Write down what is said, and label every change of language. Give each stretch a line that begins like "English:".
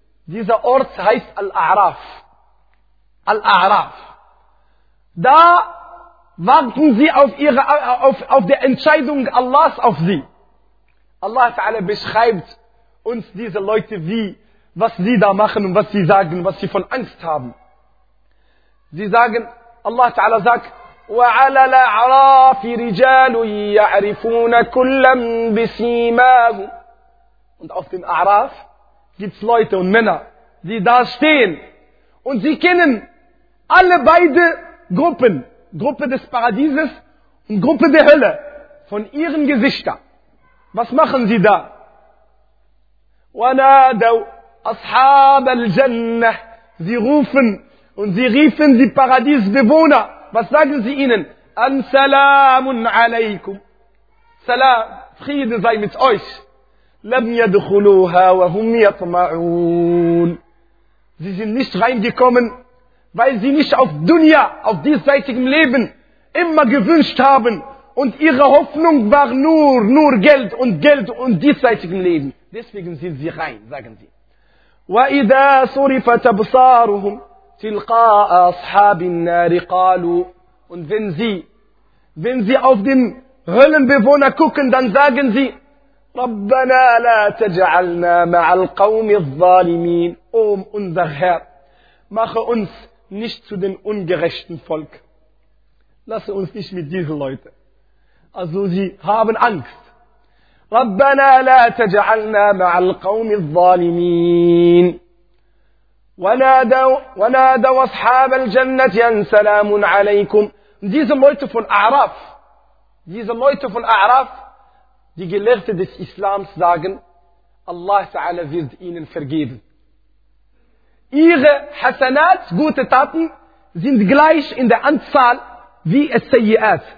German: Dieser Ort heißt Al-A'raf. Al-A'raf. Da warten sie auf die Entscheidung Allahs auf sie. Allah Ta'ala beschreibt uns diese Leute, wie, was sie da machen und was sie sagen, was sie von Angst haben. Sie sagen, Allah Ta'ala sagt,
Arabic: وَعَلَى الْأَعْرَافِ رِجَالٌ يَعْرِفُونَ كُلًّا بِسِيمَاهُمْ.
German: Und auf den A'raf gibt's Leute und Männer, die da stehen. Und sie kennen alle beide Gruppen. Gruppe des Paradieses und Gruppe der Hölle. Von ihren Gesichtern. Was machen sie da?
Arabic: وَنَادَوْا أَصْحَابَ الْجَنَّةِ.
German: Sie rufen und sie riefen die Paradiesbewohner. Was sagen sie ihnen?
Arabic: An salamun alaikum.
German: Salam, Friede sei mit euch.
Arabic: Lam yadkhuluha wa hum yatma'un.
German: Sie sind nicht reingekommen, weil sie nicht auf Dunya, auf diesseitigem Leben, immer gewünscht haben. Und ihre Hoffnung war nur Geld und Geld und diesseitigem Leben. Deswegen sind sie rein, sagen sie.
Arabic: Wa idha surifat absaruhum. تلقاء أصحاب النار قالوا
German: und wenn sie auf den Höllenbewohner gucken, dann sagen sie
Arabic: ربنا لا تجعلنا مع القوم الظالمين.
German: Unser Herr, mache uns nicht zu den ungerechten Volk. Lass uns nicht mit diesen Leuten. Also sie haben Angst.
Arabic: ربنا لا تجعلنا مع القوم الظالمين. ونادوا أصحاب الجنة أن سلام عليكم.
German: Diese Leute von A'raf, die Gelehrte des Islams sagen, Allah Ta'ala wird ihnen vergeben. Ihre Hasanat, gute Taten, sind gleich in der Anzahl wie es Sayyiat.